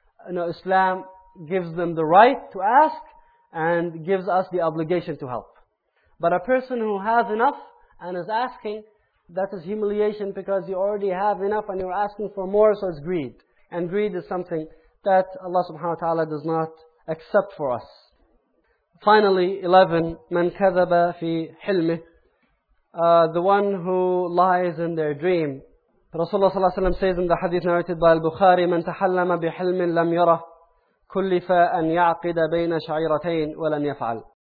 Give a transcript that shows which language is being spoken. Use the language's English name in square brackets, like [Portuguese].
[English] You know, Islam gives them the right to ask and gives us the obligation to help. But a person who has enough and is asking, that is humiliation, because you already have enough and you're asking for more, so it's greed. And greed is something that Allah subhanahu wa ta'ala does not accept for us. Finally, [Arabic] 11, مَنْ كَذَبَ فِي حِلْمِهِ. [English] The one who lies in their dream. Rasulullah صلى الله عليه وسلم says in the hadith narrated by al-Bukhari, [Arabic] مَنْ تَحَلَّمَ بِحِلْمٍ لَمْ يَرَهُ كُلِّفَ أَنْ يَعْقِدَ بَيْنَ شَعِيرَتَيْنِ وَلَمْ يَفْعَلْ.